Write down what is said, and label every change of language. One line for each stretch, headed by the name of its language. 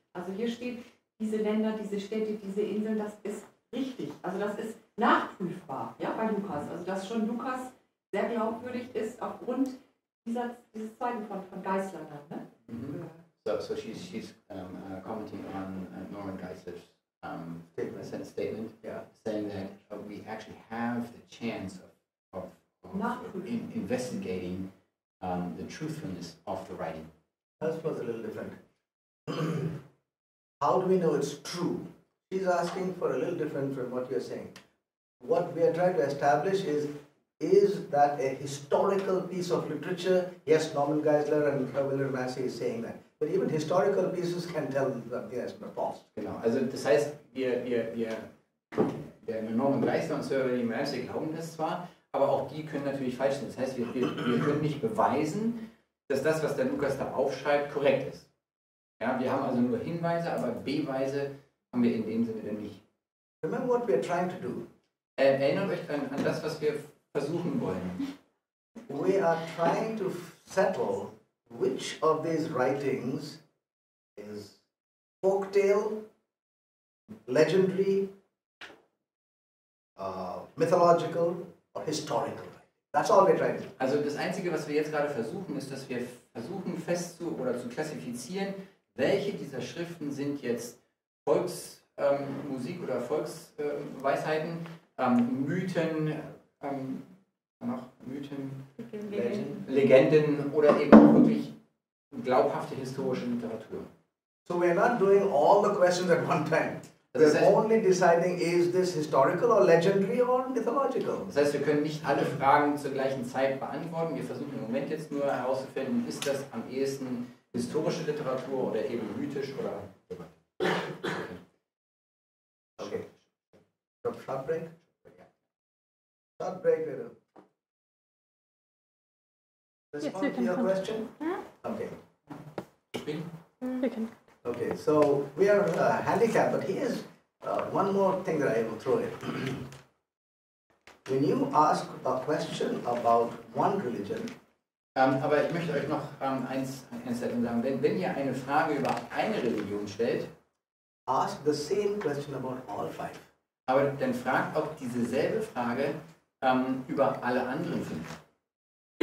German: Also hier steht, diese Länder, diese Städte, diese Inseln, das ist richtig. Also das ist nachprüfbar, ja, bei Lukas. Also dass schon Lukas sehr glaubwürdig ist aufgrund dieses Zeichen von Geisler dann, ne? Mm-hmm.
English: So she's commenting on Norman Geisler's statement, saying that we actually have the chance of investigating the truthfulness of the writing. That's what's a little different. How do we know it's true? She's asking for a little different from what you're saying. What we are trying to establish is, is that a historical piece of literature? Yes, Norman Geisler and William Massey is saying that. But even historical pieces can tell that they are false.
German: Genau. Also das heißt, wir Norman Geisler und Sir William Massey glauben das zwar, aber auch die können natürlich falsch sein. Das heißt, wir können nicht beweisen, dass das, was der Lukas da aufschreibt, korrekt ist. Ja, wir haben also nur Hinweise, aber Beweise haben wir in dem Sinne denn nicht.
English: Remember what we are trying to do.
German: Erinnert euch an das, was wir versuchen wollen.
English: We are trying to settle which of these writings is folktale, legendary, mythological or historical. That's all we're trying to do.
German: Also das Einzige, was wir jetzt gerade versuchen, ist, dass wir versuchen zu klassifizieren, welche dieser Schriften sind jetzt Volksmusik oder Volksweisheiten, Mythen, noch Mythen, Legenden oder eben wirklich glaubhafte historische Literatur.
English: So we are not doing all the questions at one time. We are only deciding, is this historical or legendary or mythological?
German: Das heißt, wir können nicht alle Fragen zur gleichen Zeit beantworten. Wir versuchen im Moment jetzt nur herauszufinden, ist das am ehesten historische Literatur oder eben mythisch oder...
English: Okay. Okay. Short break? Short break, little. Respond yes, to your question? Huh? Okay. Okay, so we are handicapped, but here's one more thing that I will throw in. When you ask a question about one religion...
German: Aber ich möchte euch noch eins sagen. Wenn ihr eine Frage über eine Religion stellt...
English: Ask the same question about all five.
German: Aber dann fragt auch dieselbe Frage über alle anderen fünf.